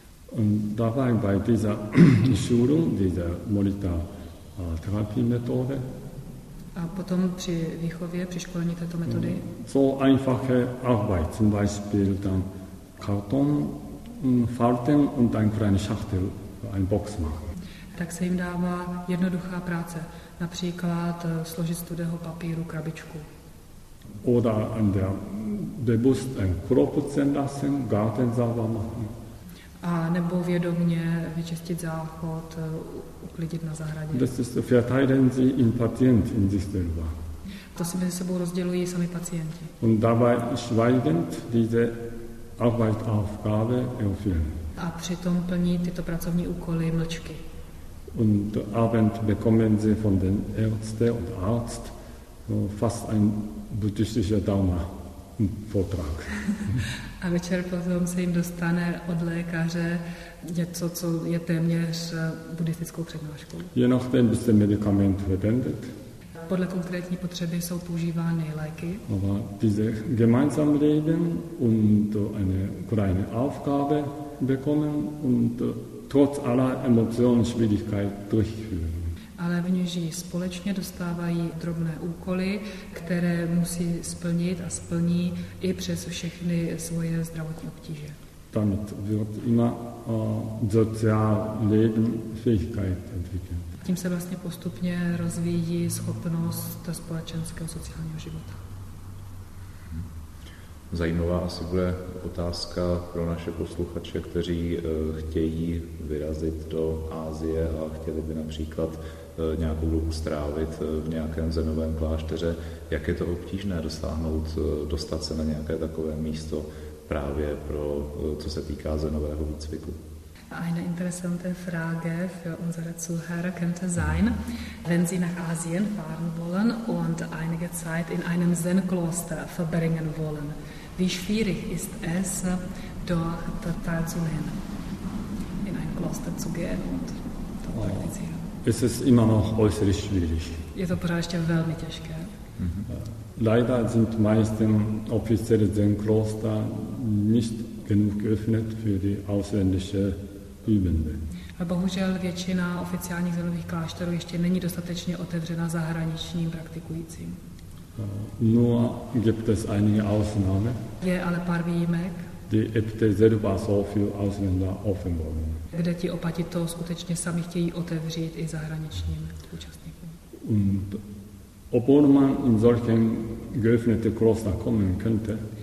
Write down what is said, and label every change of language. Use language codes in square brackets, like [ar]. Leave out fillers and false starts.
[de] Und dabei bei dieser Schulung, dieser Molita-Therapie-Methode, [cs] A potom při výchově, při školení této metody? [de] So einfache Arbeit, zum Beispiel dann Karton falten und ein kleines Schachtel, ein Box machen. [cs] Tak se jim dává jednoduchá práce, například složit z tudého papíru krabičku. [de] Oder an der bewusst ein Klo putzen lassen, Garten sauber machen. [cs] A nebo vědomně vyčistit záchod, uklidit na zahradě. [de] Das ist verteilen Sie in Patient in sich selber. [cs] To si mezi sebou rozdělují sami pacienti. [de] Und dabei schweigend diese Arbeitsaufgabe erfüllen. [cs] A přitom plní tyto pracovní úkoly mlčky. [de] Und abend bekommen Sie von den Ärzte und Arzt fast ein buddhistischer Dharma. Vortrag. [cs] A večer potom se jim dostane od lékaře něco, co je téměř buddhistickou přednáškou. [de] Je noch ten bisschen Medikament verwendet. [cs] Podle konkrétní potřeby jsou používány léky. [de] Aber diese gemeinsame Leben und eine kleine Aufgabe bekommen und trotz aller Emotionen Schwierigkeit durchführen. [cs] Ale v níž společně dostávají drobné úkoly, které musí splnit a splní i přes všechny svoje zdravotní obtíže. [de] Damit wird immer Sozialleben Fähigkeit entwickelt. [cs] Tím se vlastně postupně rozvíjí schopnost společenského sociálního života. Zajímavá asi bude otázka pro naše posluchače, kteří chtějí vyrazit do Asie a chtěli by například nějakou dobu strávit v nějakém zenovém klášteře. Jak je to obtížné dostat se na nějaké takové místo právě pro, co se týká zenového výcviku? [de] Eine interessante Frage für unsere Zuhörer könnte sein, wenn Sie nach Asien fahren wollen und einige Zeit in einem Zen-Kloster verbringen wollen. Wie schwierig ist es, dort teilzunehmen, in ein Kloster zu gehen und dort praktizieren? Es ist immer noch äußerst schwierig. [cs] Je to pořád ještě velmi těžké. [de] Leider sind meisten offizielle Zen-Kloster nicht genug geöffnet für die ausländische Übende. [cs] A bohužel většina oficiálních zenových klášterů ještě není dostatečně otevřena zahraničním praktikujícím. [de] Nur gibt es einige Ausnahmen. [cs] Je ale pár výjimek. [de] Die Äbte selber so für Ausländer offen wollen. [cs] Kde ti opati to skutečně sami chtějí otevřít i zahraničním účastníkům. [de] Und obwohl man in solchen geöffneten Kloster kommen könnte,